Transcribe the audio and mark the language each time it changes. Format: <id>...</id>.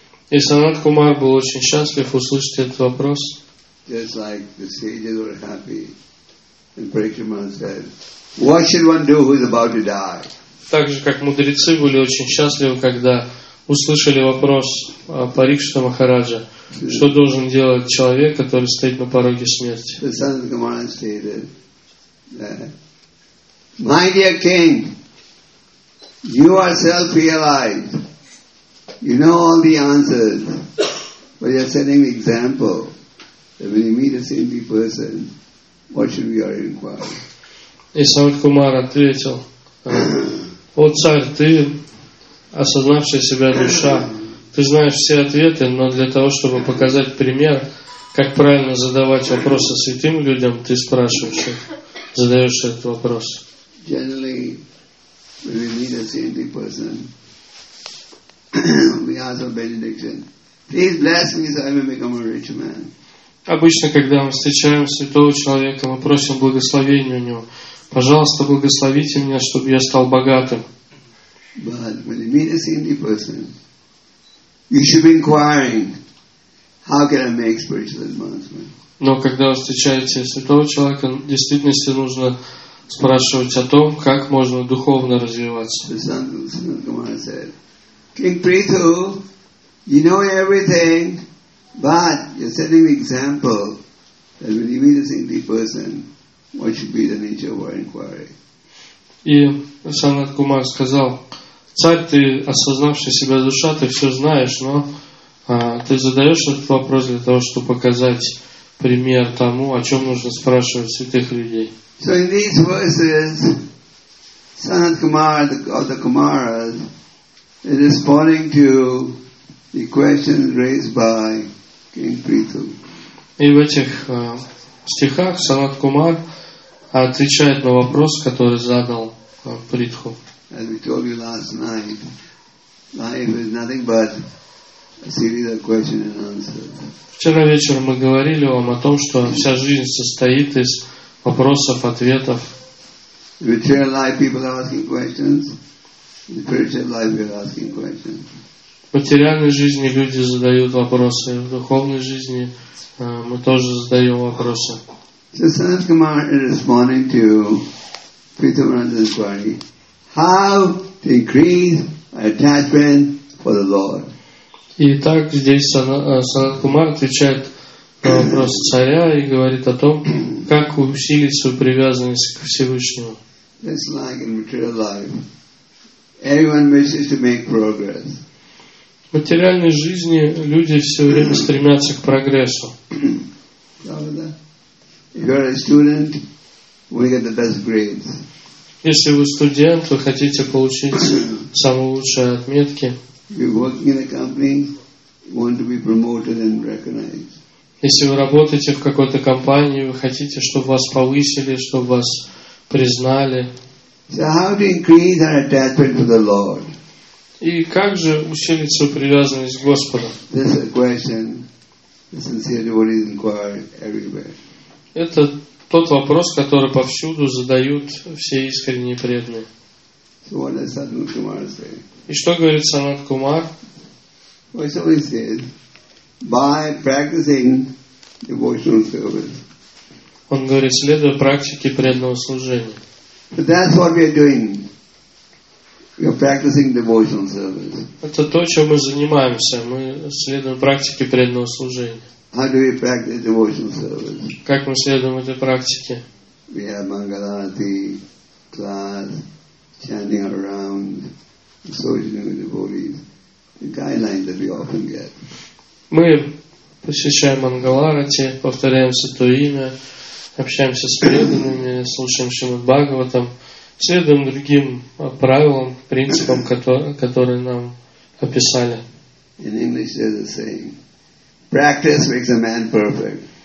<ru>И Санат Кумар был очень счастлив услышать этот вопрос.</ru> <en>Just like the sages were happy when Parikshit Maharaj said, What should one do who is about to die?</en> <ru>Так же, как мудрецы были очень счастливы, когда услышали вопрос Парикшита Махараджа, что должен делать человек, который стоит на пороге смерти.</ru> <en>The son of the Gamana stated, My dear king, you are self-realized. You know all the answers. But you are setting an example that when you meet a saintly person, what should we already inquire?</en> <ru>И Санат Кумар ответил, «О царь, ты, осознавшая себя душа, ты знаешь все ответы, но для того, чтобы показать пример, как правильно задавать вопросы святым людям, ты спрашиваешь их, задаешь этот вопрос».</ru> <en>Generally, when we meet a saintly person, we ask for benediction. Please bless me so I may become a rich man.</en> <ru>Обычно, когда мы встречаем святого человека, мы просим благословения у него. Пожалуйста, благословите меня, чтобы я стал богатым.</ru> <en>But when you meet a saintly person, you should be inquiring, how can I make spiritual advancement?</en> <ru>Но когда вы встречаете святого человека, в действительности нужно спрашивать о том, как можно духовно развиваться.</ru> <en>The son of Gamana said, King Prithu, you know everything, but you're setting the example that when you meet a saintly person, what should be the nature of our inquiry?</en> <ru>И Санат Кумар сказал, царь, ты, осознавший себя душа, ты все знаешь, но ты задаешь этот вопрос для того, чтобы показать пример тому, о чем нужно спрашивать святых людей.</ru> <en>So in these verses, Sanat Kumar of the Kumaras is responding to the questions raised by King Prithu.</en> <ru>И в этих стихах Санат Кумар отвечает на вопрос, который задал Притху.</ru> <en>As we told you last night, life is nothing but a series of questions and answers.</en> <ru>Вчера вечером мы говорили вам о том, что вся жизнь состоит из вопросов, ответов.</ru> <en>In material life, people are asking questions. In spiritual life, we are asking questions.</en> <ru>В материальной жизни люди задают вопросы. В духовной жизни мы тоже задаем вопросы.</ru> <en>So Sanat Kumar is responding to Prithuvananda's inquiry, how to increase my attachment for the Lord.</en> <ru>И так здесь Санат Кумар отвечает на вопрос царя и говорит о том, как усилить свою привязанность к Всевышнему.</ru> <en>It's like in material life. Everyone wishes to make progress.</en> <ru>В материальной жизни люди все время стремятся к прогрессу.</ru> <en>If you're a student, you want to get the best grades.</en> <ru>Если вы студент, вы хотите получить самые лучшие отметки.</ru> <en>If you're working in a company, you want to be promoted and recognized.</en> <ru>Если вы работаете в какой-то компании, вы хотите, чтобы вас повысили, чтобы вас признали.</ru> <en>So how to increase our attachment to the Lord?</en> <ru>И как же усилить свою привязанность к Господу?</ru> <en>This is a question the sincere devotees inquire everywhere.</en> <ru>Это тот вопрос, который повсюду задают все искренние преданные.</ru> <en>So what does Sanat Kumar say?</en> <ru>И что говорит Санат Кумар?</ru> <en>Well, so he said, by practicing devotional service.</en> <ru>Он говорит, следуя практике преданного служения.</ru> <en>But that's what we are doing. We are practicing devotional service.</en> <ru>Это то, чем мы занимаемся. Мы следуем практике преданного служения.</ru> <en>How do we practice devotional service?</en> <ru>Как мы следуем этой практике?</ru> <en>We have Mangalarati class, chanting around, associating with devotees. The guidelines that we often get.</en> <ru>Мы посещаем Мангаларати, повторяем святое имя, общаемся с преданными, слушаем Шримад Бхагаватам, следуем другим правилам, принципам, которые нам описали.</ru> <en>In English there's a saying. Practice makes a man perfect.</en>